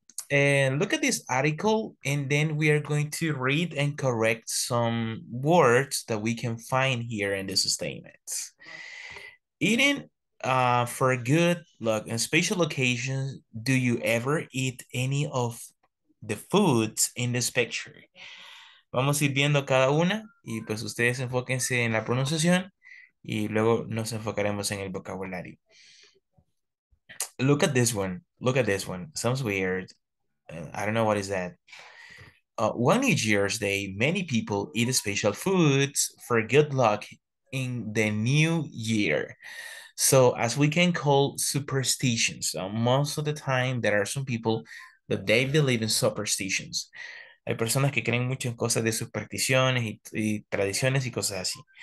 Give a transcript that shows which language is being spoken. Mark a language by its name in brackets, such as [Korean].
[English] And look at this article, and then we are going to read and correct some words that we can find here in this statement. Eating for good luck in special occasions, do you ever eat any of the foods in this picture? [Spanish] Vamos a ir viendo cada una y pues ustedes enfóquense en la pronunciación y luego nos enfocaremos en el vocabulario. [English] Look at this one. Look at this one. Sounds weird. I don't know what is that. One New Year's Day, many people eat special foods for good luck in the new year. So as we can call superstitions, so most of the time there are some people that they believe in superstitions. [Spanish] Hay personas que creen mucho en cosas de supersticiones y tradiciones y cosas así.